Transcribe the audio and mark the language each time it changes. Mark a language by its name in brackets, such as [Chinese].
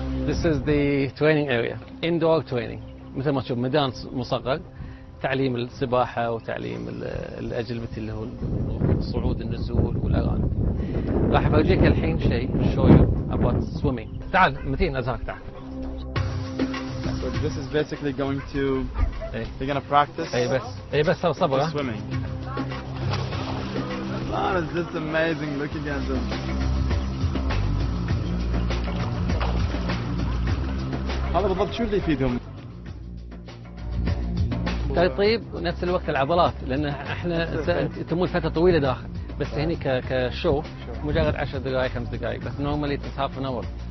[English] This is the training area, indoor training. [Arabic] مثل ما تشوف ميدان مصغر، تعليم السباحة وتعليم الأجلبة اللي هو الصعود النزول والأرانب. راح أفرجيك الحين شيء. [English] Show you about swimming. [Arabic] تعال متين أزهرك تعال. [English] So this is basically going to. They're gonna practice. [Arabic] أي بس. أي بس هو صبر. [English] Swimming. Man, it's just amazing looking at them. [Arabic] هذا بالضبط شو اللي يفيدهم؟ ترطيب ونفس الوقت العضلات، لان احنا تمول فتره طويله داخل، بس هنا كشو مجرد 10 دقائق 5 دقائق، بس [English] Normally it's half an hour.